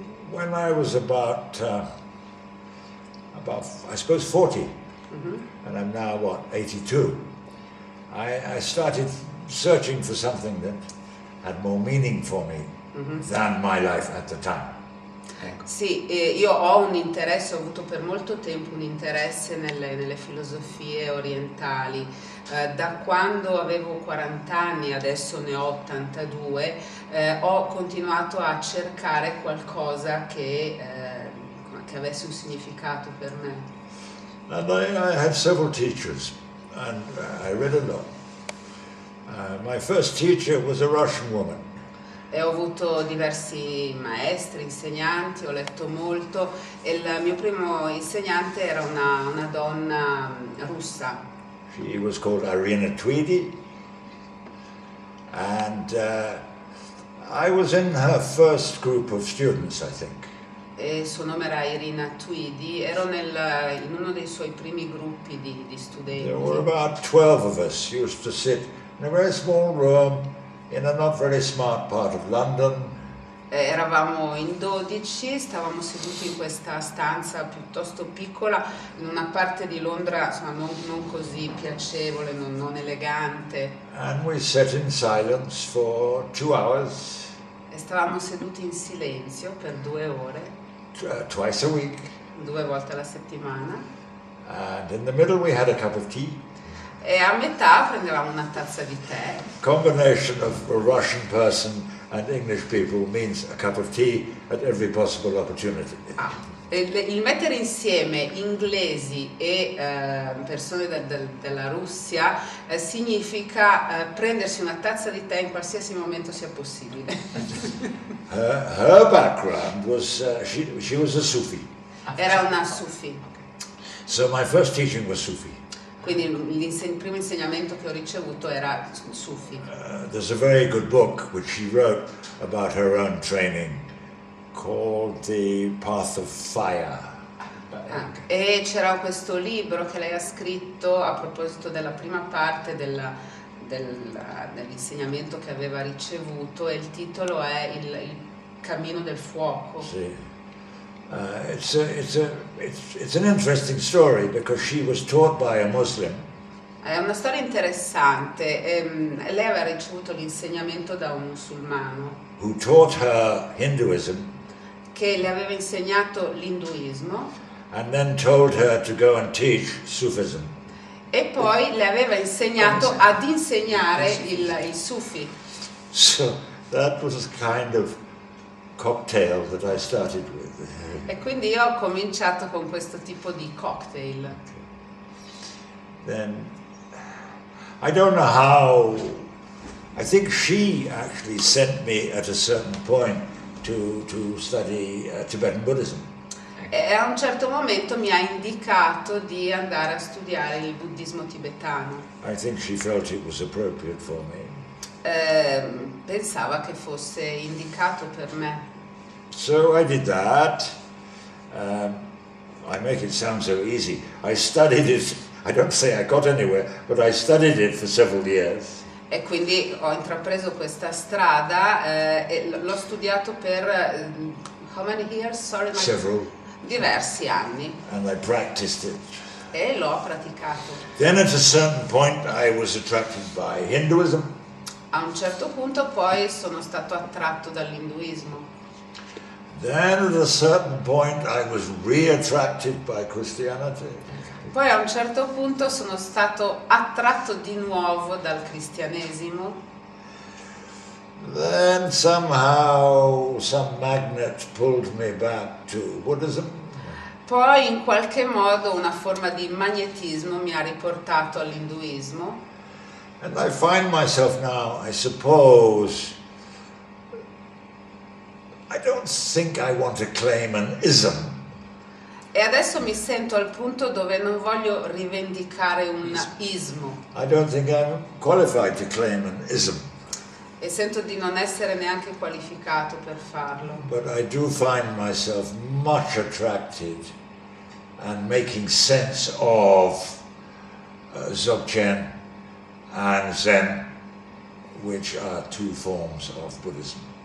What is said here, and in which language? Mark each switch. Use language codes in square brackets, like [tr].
[en] When I was about, I suppose, 40, mm-hmm. And I'm now, what, 82, I started searching for something that had more meaning for me, mm-hmm. than my life at the time. [it] Ecco. Sì, io ho un interesse, ho avuto per molto tempo un interesse nelle filosofie orientali. Da quando avevo 40 anni, adesso ne ho 82, ho continuato a cercare qualcosa che avesse un significato per me. [en] And I had several teachers, and I read a lot. My first teacher was a Russian woman. [it] E ho avuto diversi maestri, insegnanti, ho letto molto, e il mio primo insegnante era una donna russa. [en] She was called Irina Tweedy, and I was in her first group of students, I think. [it] E suo nome era Irina Tweedy, ero in uno dei suoi primi gruppi di studenti. [en] There were about 12 of us used to sit in a very small room in a not very smart part of London. [it] Eravamo in 12, stavamo seduti in questa stanza piuttosto piccola, in una parte di Londra, insomma, non così piacevole, non elegante. [en] And we sat in silence for 2 hours. [it] Stavamo seduti in silenzio per 2 ore. [en] Twice a week. [it] 2 volte alla settimana. [en] And in the middle we had a cup of tea. [it] E a metà prendevamo una tazza di tè. [en] Combination of a Russian person and English people means a cup of tea at every possible opportunity. [it] Il mettere insieme inglesi e persone della Russia significa prendersi una tazza di tè in qualsiasi momento sia possibile. [en] Her background was she was a Sufi. [it] Era una Sufi. [en] So my first teaching was Sufi. [it] Quindi il primo insegnamento che ho ricevuto era Sufi. [en] There's a very good book which she wrote about her own training, called The Path of Fire. [it] E c'era questo libro che lei ha scritto a proposito della prima parte dell'insegnamento che aveva ricevuto, e il titolo è Il Cammino del Fuoco. Sì. [en] It's an interesting story because she was taught by a Muslim. [it] È una storia interessante. Lei aveva ricevuto l'insegnamento da un musulmano [en] who taught her Hinduism, [it] che le aveva insegnato l'induismo, [en] and then told her to go and teach Sufism. [it] E poi le aveva insegnato ad insegnare il Sufi. [en] So that was a kind of cocktail that I started with. [it] E quindi io ho cominciato con questo tipo di cocktail. [en] Then I don't know how. I think she actually sent me at a certain point to study Tibetan Buddhism. [it] E a un certo momento mi ha indicato di andare a studiare il buddismo tibetano. [en] I think she felt it was appropriate for me. [it] Pensava che fosse indicato per me. [en] So I did that. I make it sound so easy. I studied it. I don't say I got anywhere, but I studied it for several years. [it] E quindi ho intrapreso questa strada e l'ho studiato per [en] how many years? Sorry, several. [it] Diversi anni. [en] And I practiced it. [it] E l'ho praticato. [en] Then at a certain point I was attracted by Hinduism. [it] A un certo punto poi sono stato attratto dall'induismo. [en] Then at a certain point I was reattracted by Christianity. [it] Poi a un certo punto sono stato attratto di nuovo dal cristianesimo. [en] Then somehow some magnet pulled me back to Buddhism. [it] Poi in qualche modo una forma di magnetismo mi ha riportato all'induismo. [en] And I find myself now, I suppose, I don't think I want to claim an ism. [it] E adesso mi sento al punto dove non voglio rivendicare un ismo. [en] I don't think I'm qualified to claim an ism. [it] E sento di non essere neanche qualificato per farlo. [en] But I do find myself much attracted and making sense of Dzogchen and Zen, which are two forms of Buddhism.